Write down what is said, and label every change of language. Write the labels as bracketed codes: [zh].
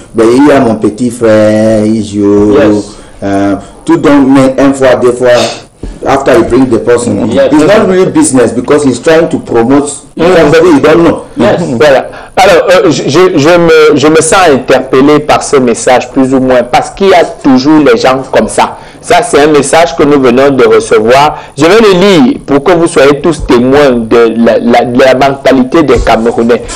[fr] Mais il y a mon petit frère, il joue. [en] Yes. [fr] Tout donne une fois, deux fois, [en] after you bring the person. Yes. It's not really business because he's trying to promote somebody you don't know. Yes. Voilà. [fr] Alors, je me sens interpellé par ce message, plus ou moins, parce qu'il y a toujours les gens comme ça. Ça, c'est un message que nous venons de recevoir. Je vais le lire pour que vous soyez tous témoins de la mentalité des Camerounais.